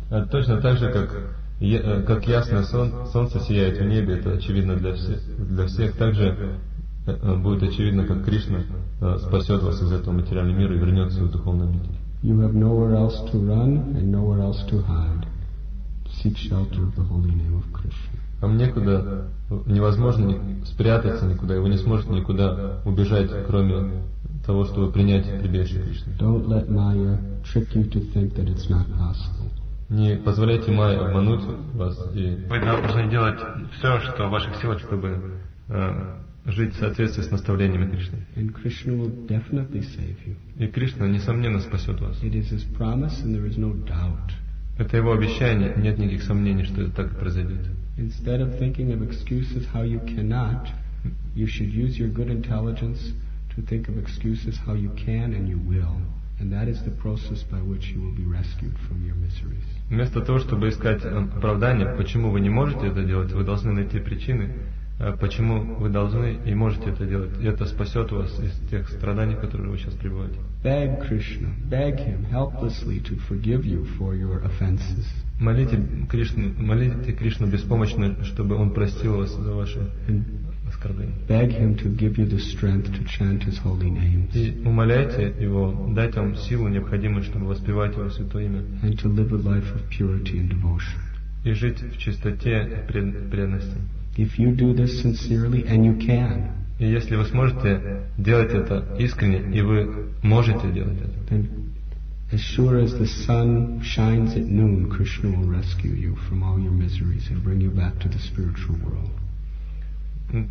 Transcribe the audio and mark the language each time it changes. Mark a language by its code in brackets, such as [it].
[ru] Точно так же, как ясное солнце сияет в небе, это очевидно для всех, так же будет очевидно, как Кришна спасет вас из этого материального мира и вернет свою духовную обитель. [en] You have nowhere else to run and nowhere else to hide. Seek shelter of the holy name of Krishna. [ru] Вам некуда, невозможно спрятаться никуда, и вы не сможете никуда убежать, кроме того, чтобы принять прибежище Кришны. [en] Don't let Maya trick you to think that it's not possible. [ru] Не позволяйте Майе обмануть вас. И вы должны делать все, что в ваших силах, чтобы жить в соответствии с наставлениями Кришны. [en] And Krishna will definitely save you. [ru] И Кришна, несомненно, спасет вас. [en] It is his promise, and there is no doubt. [ru] Это его обещание, нет никаких сомнений, что это так и произойдет. [en] Instead of thinking of excuses how you cannot, you should use your good intelligence to think of excuses how you can and you will. And that is the process by which you will be rescued from your miseries. [ru] Вместо того, чтобы искать оправдание, почему вы не можете это делать, вы должны найти причины, почему вы должны и можете это делать. И это спасет вас из тех страданий, в которые вы сейчас пребываете. [en] Beg Krishna, beg him helplessly to forgive you for your offenses. [ru] Молите Кришну беспомощно, чтобы он простил вас за ваши оскорбления. [en] Beg him to give you the strength to chant his holy names. [ru] И умоляйте его дать вам силу, необходимую, чтобы воспевать его святое имя. [en] And to live a life of purity and devotion. [ru] И жить в чистоте и преданности. [en] If you do this sincerely, and you can, [ru] и если вы сможете делать это искренне, и вы можете делать это, [en] then as sure as the sun shines at noon, Krishna will rescue you from all your miseries and bring you back to the spiritual world.